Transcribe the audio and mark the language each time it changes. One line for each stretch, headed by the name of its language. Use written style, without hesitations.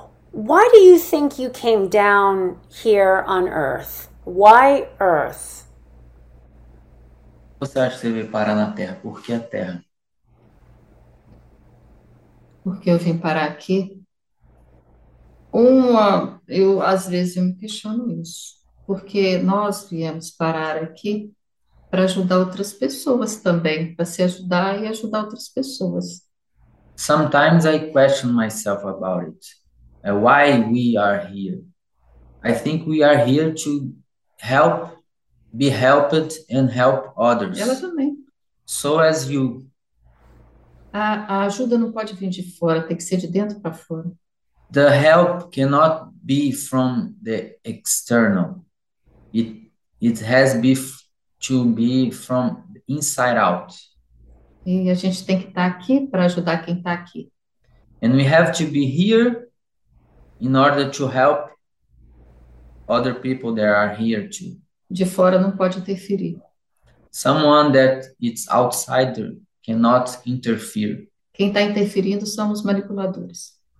English: Why do you think you came down here on Earth? Why Earth?
Portuguese: Você acha que você veio parar na Terra? Por que a Terra? Por que eu vim parar aqui? Eu às vezes eu me questiono isso, porque nós viemos parar aqui para ajudar outras pessoas também, para se ajudar e ajudar outras pessoas.
English: Sometimes I question myself about it, why we are here. I think we are here to help, be helped and help others.
Portuguese: Ela também.
English: So as you.
Portuguese: A ajuda não pode vir de fora, tem que ser de dentro para fora.
English: The help cannot be from the external. It has to be from inside out.
Portuguese: E a gente tem que estar aqui para ajudar quem está aqui.
English: And we have to be here in order to help other people that are here too.
Portuguese: De fora não pode interferir.
English: Someone that is outsider cannot interfere.
Portuguese: Quem está interferindo são os manipuladores.